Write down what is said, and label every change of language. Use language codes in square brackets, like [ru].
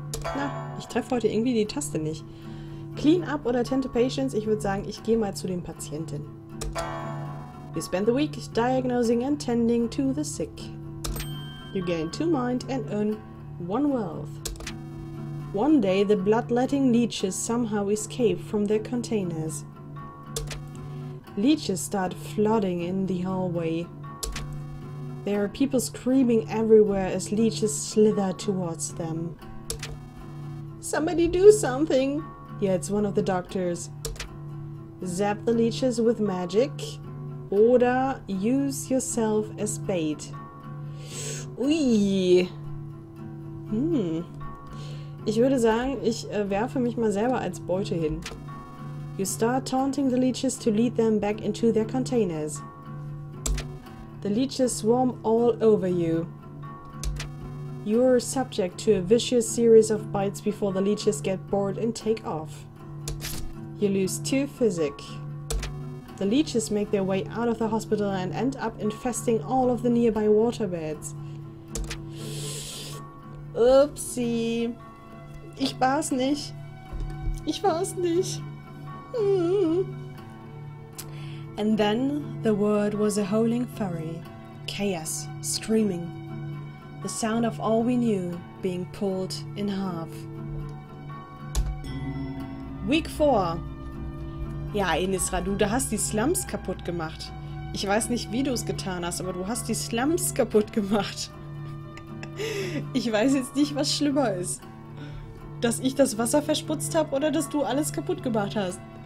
[de] Na, ich treffe heute irgendwie die Taste nicht. [en] Clean up oder tend to patients? [de] Ich würde sagen, ich gehe mal zu den Patienten. [en] You spend the week diagnosing and tending to the sick. You gain 2 mind and earn 1 wealth. One day the bloodletting leeches somehow escape from their containers. Leeches start flooding in the hallway. There are people screaming everywhere as leeches slither towards them. Somebody do something! Yeah, it's one of the doctors. Zap the leeches with magic. Oder use yourself as bait. Ui. [de] Ich würde sagen, ich werfe mich mal selber als Beute hin. [en] You start taunting the leeches to lead them back into their containers. The leeches swarm all over you. You are subject to a vicious series of bites before the leeches get bored and take off. You lose 2 physic. The leeches make their way out of the hospital and end up infesting all of the nearby waterbeds. [de] Upsie. Ich war's nicht. Ich war's nicht. [en] And then the word was a howling fury. Chaos, screaming. The sound of all we knew being pulled in half. Week 4. [de] Ja, Enisra, du hast die Slums kaputt gemacht. Ich weiß nicht, wie du es getan hast, aber du hast die Slums kaputt gemacht. Ich weiß jetzt nicht, was schlimmer ist. Dass ich das Wasser versputzt habe oder dass du alles kaputt gemacht hast.